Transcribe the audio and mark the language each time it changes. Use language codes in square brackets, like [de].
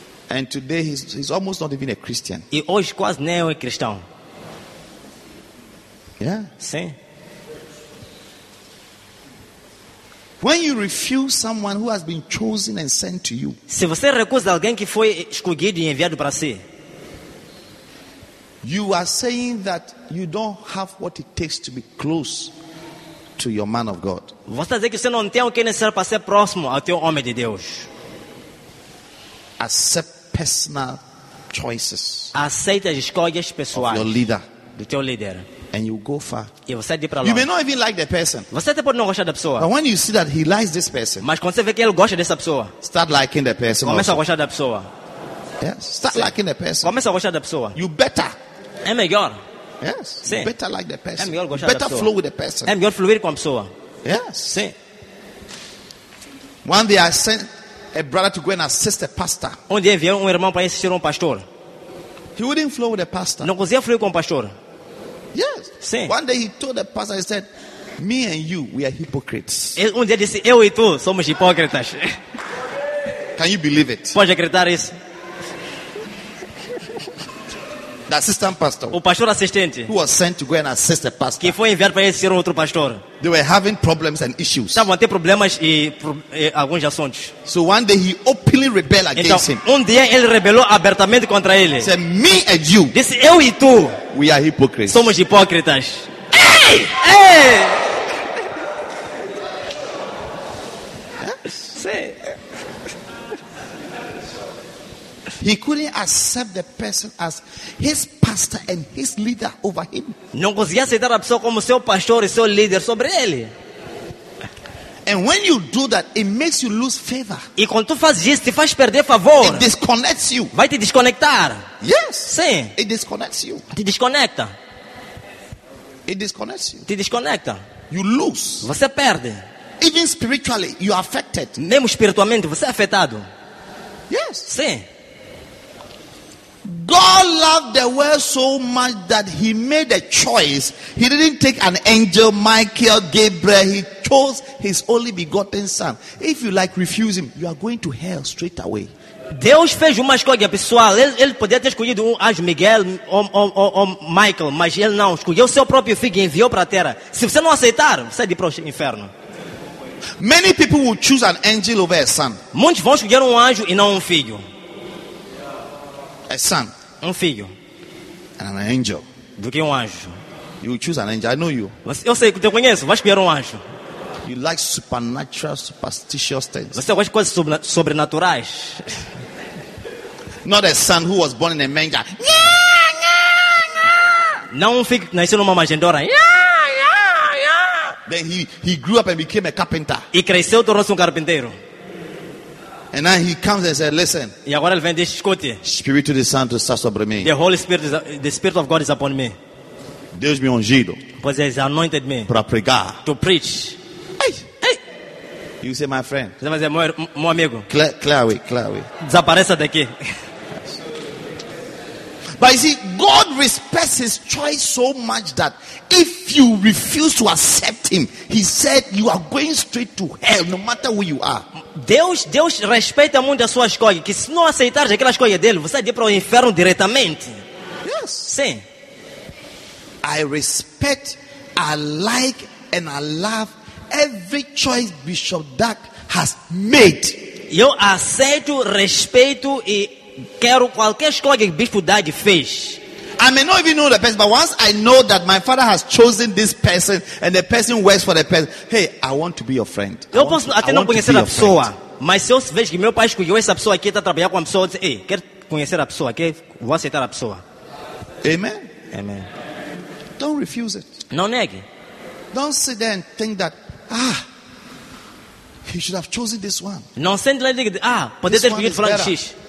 [en] And today he's almost not even a Christian. [pt] E hoje quase nem é cristão. [en] Yeah? [pt] Sim. [en] When you refuse someone who has been chosen and sent to you, [pt] se você recusa alguém que foi escolhido e enviado para si, [en] you are saying that you don't have what it takes to be close to your man of God. [pt] Você está dizendo que você não tem o que necessário para ser próximo ao teu homem de Deus. [en] Accept personal choices. [pt] Aceite as escolhas pessoais. [en] Of your leader. [pt] Do teu líder. [en] And you go far. [pt] E você vai para lá. [en] You may not even like the person. [pt] Você até pode não gostar da pessoa. [en] But when you see that he likes this person, [pt] mas quando você vê que ele gosta dessa pessoa, [en] start liking the person. [pt] Começa a gostar da pessoa. [en] Yes. Start liking the person. [pt] Começa a gostar da pessoa. [en] You better. [pt] É melhor. [en] Yes. [pt] Sim. [en] You better like the person. [pt] É melhor gostar [en] you better [pt] da pessoa. [en] Flow with the person. [pt] É melhor fluir com a pessoa. [en] Yes. [pt] Sim. [en] One day I sent a brother to go and assist a pastor. [pt] Um dia enviou irmão para assistir pastor. [en] He wouldn't flow with the pastor. [pt] Não conseguia fluir com o pastor. [en] Yes. [pt] Sim. [en] One day he told the pastor, he said, "Me and you, we are hypocrites." [pt] Um dia disse, eu e tu somos hipócritas. [en] Can you believe it? [pt] Pode acreditar isso? [en] The assistant pastor, [pt] o pastor assistente, [en] who was sent to go and assist the pastor, [pt] que foi enviado para assistir outro pastor, [en] they were having problems and issues. [pt] Estavam tendo problemas e alguns assuntos. [en] So one day he openly rebelled [pt] então, [en] against him. [pt] Um dia ele rebelou abertamente contra ele. [en] He said, "Me and you." [pt] Disse, eu e tu. [en] We are hypocrites. [pt] Somos hipócritas. Hey! Hey! [en] He couldn't accept the person as his pastor and his leader over him. [pt] Não conseguia aceitar a pessoa como seu pastor e seu líder sobre ele. [en] And when you do that, it makes you lose favor. [pt] E quando tu fazes isso, te faz perder favor. [en] It disconnects you. [pt] Vai te desconectar. [en] Yes. [pt] Sim. [en] It disconnects you. [pt] Te desconecta. [en] It disconnects you. [pt] Te desconecta. [en] You lose. [pt] Você perde. [en] Even spiritually, you are affected. [pt] Mesmo espiritualmente, você é afetado. [en] Yes. [pt] Sim. [en] God loved the world so much that he made a choice. He didn't take an angel, Michael, Gabriel. He chose his only begotten son. If you like refuse him, you are going to hell straight away. [pt] Deus fez uma escolha pessoal. Ele podia ter escolhido um anjo, Miguel ou Michael, mas ele não. Escolheu seu próprio filho e enviou para a terra. Se você não aceitar, você vai para o inferno. [en] Many people will choose an angel over a son. [pt] Muitos vão escolher um anjo e não um filho. [en] A son, [pt] um filho, [en] and an angel. [pt] Do que um anjo. [en] You choose an angel. I know you. [pt] Eu sei que te conheço. Vai escolher um anjo. [en] You like supernatural, superstitious things. [pt] Você gosta de coisas sobrenaturais. [en] Not a son who was born in a manger. [pt] Não um filho nasceu numa manjedoura. [en] Then he grew up and became a carpenter. [pt] E cresceu tornou-se um carpinteiro. [en] And now he comes and says, "Listen." [pt] E agora ele vem diz, escute. [en] Spirit of the Son to start [pt] sobre mim. [en] The Holy Spirit, the Spirit of God is upon me. [pt] Deus me ungido. Pois é, [en] anointed me. [pt] Para pregar. [en] To preach. Hey, hey. You say, my friend. [pt] Você vai dizer, meu amigo. [en] Clear away. [pt] Desapareça daqui. [en] But you see, God respects his choice so much that if you refuse to accept him, he said you are going straight to hell no matter where you are. [pt] Deus respeita muito a sua escolha, que se não aceitar aquela escolha dele, você vai ir para o inferno diretamente. [en] Yes. [pt] Sim. [en] I respect, I like and I love every choice Bishop Dark has made. [pt] Eu aceito, respeito e quero qualquer escolha que Bispo Dag fez. [en] I may not even know the person, but once I know that my father has chosen this person and the person works for the person, hey, I want to be your friend. [pt] Eu posso até não conhecer a pessoa, mas se eu vejo que meu pai escolheu essa pessoa aqui está trabalhando com a pessoa, eu digo, hey, quero conhecer a pessoa, vou aceitar a pessoa. Amen. Amen. [en] Don't refuse it. [pt] Não negue. [en] Don't sit there and think that, he should have chosen this one. [pt] Não sente lá e diga, pode ter escolhido falando de X.